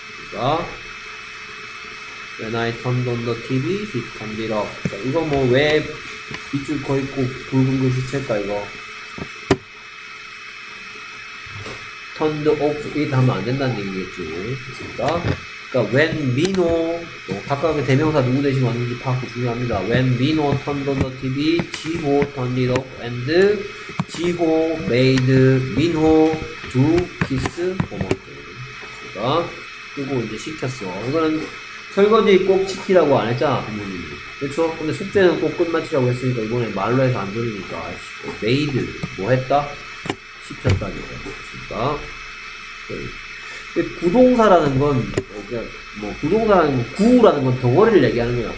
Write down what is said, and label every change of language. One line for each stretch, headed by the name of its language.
Korean: 그니까
English: When I turned on the TV, he turned it off.
Korean: 자, 이거 뭐 왜 밑줄 거 있고 붉은 글씨 칠까 이거?
English: Turned off it
Korean: 하면 안 된다는 얘기겠지. 그니까 그러니까
English: When Mino,
Korean: 뭐 각각의 대명사 누구 대신 왔는지 파악도 중요합니다.
English: When Mino turned on the TV, Jiho turned it off and Jiho made Mino do kiss homework.
Korean: 그니까 그거 이제 시켰어. 이거는 설거지 꼭 시키라고 안 했잖아, 부모님이. 그쵸? 근데 숙제는 꼭 끝마치라고 했으니까, 이번에 말로 해서 안 들으니까. 아이씨, made, 뭐 했다? 시켰다, 이거. 그니까. 구동사라는 건, 그냥 뭐, 구동사라는 건, 구라는 건 덩어리를 얘기하는 거야.